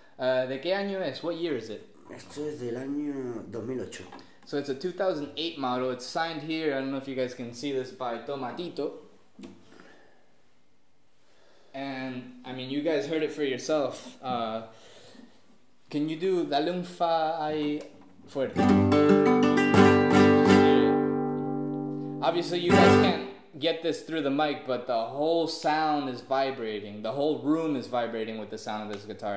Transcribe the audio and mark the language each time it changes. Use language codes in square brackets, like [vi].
[es] ¿De qué año es? [en] What year is it? [es] Esto es del año 2008. [en] So it's a 2008 model. It's signed here. I don't know if you guys can see this, by Tomatito. And, I mean, you guys heard it for yourself. Can you do [es] Dale un fa ahí fuerte? [en] Obviously, you guys can't get this through the mic, but the whole sound is vibrating. The whole room is vibrating with the sound of this guitar.